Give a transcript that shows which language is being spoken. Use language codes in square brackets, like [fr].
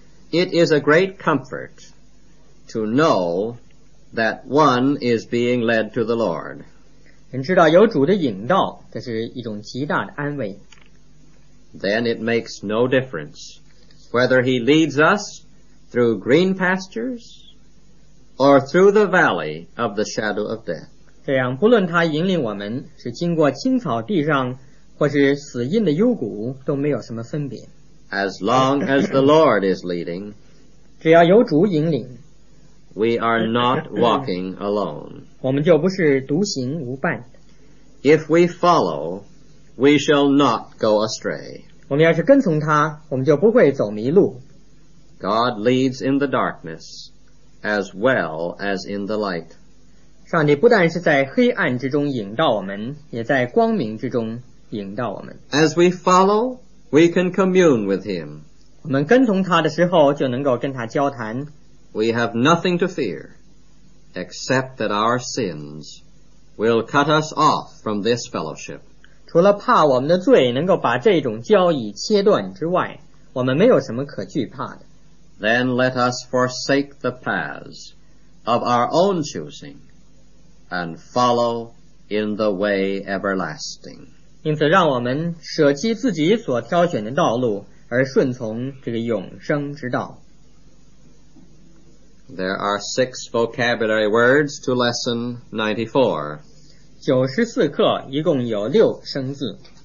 [en] It is a great comfort to know that one is being led to the Lord. [zh] 人知道有主的引导，这是一种极大的安慰。 [en] Then it makes no difference whether he leads us through green pastures or through the valley of the shadow of death. [zh] 这样不论他引领我们是经过青草地上或是死荫的幽谷都没有什么分别。 [en] As long as the Lord is leading, [zh] 只要有主引领, [en] we are not walking alone. [zh] 我们就不是独行无伴。 [en] If we follow, we shall not go astray. [zh] 我们要是跟从他我们就不会走迷路。 [en] God leads in the darkness as well as in the light. [zh] 上帝不但是在黑暗之中引导我们，也在光明之中引导我们。 [en] As we follow, we can commune with him. [zh] 我们跟从他的时候就能够跟他交谈。 [en] We have nothing to fear, except that our sins will cut us off from this fellowship. [zh] 除了怕我们的罪能够把这种交易切断之外，我们没有什么可惧怕的。 [en] Then let us forsake the paths of our own choosing. And follow in the way everlasting. [zh] 因此让我们舍弃自己所挑选的道路而顺从这个永生之道。 [en] There are six vocabulary words to lesson 94. [zh] 94课一共有六生字。